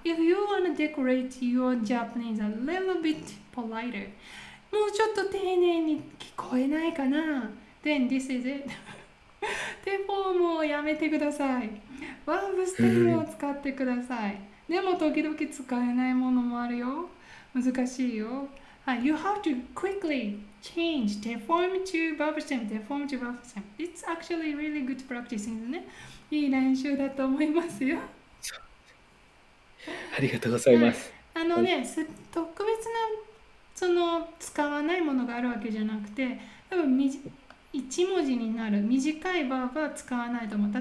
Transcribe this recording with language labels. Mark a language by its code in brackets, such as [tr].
[en] If you want to decorate your Japanese a little bit politer, [ja] もうちょっと丁寧に聞こえないかな？ [en] Then this is it. [ja] テフォームをやめてください。ワーブステムを使ってください。でも時々使えないものもあるよ。難しいよ。 [en] You have to quickly change the form to verb stem, the form to verb stem. It's actually really good practice, isn't it? [ja] いい練習だと思いますよ。ありがとうございます。はい、あのね、はい、特別なその使わないものがあるわけじゃなくて、多分一文字になる短いバーブは使わないと思う。